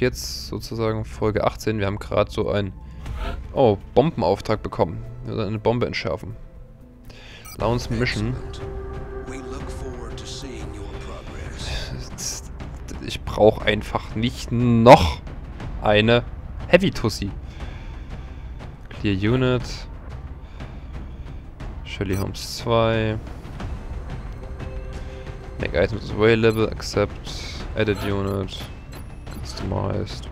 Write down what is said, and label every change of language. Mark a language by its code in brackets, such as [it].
[de] Jetzt sozusagen Folge 18. Wir haben gerade so einen Bombenauftrag bekommen. Wir sollen eine Bombe entschärfen. [en] Launch Mission. Excellent. We look forward to seeing your progress. [de] Ich brauche einfach nicht noch eine Heavy Tussi. [en] Clear Unit. Shelly Holmes 2. Make items available, accept. Edit Unit. Customized.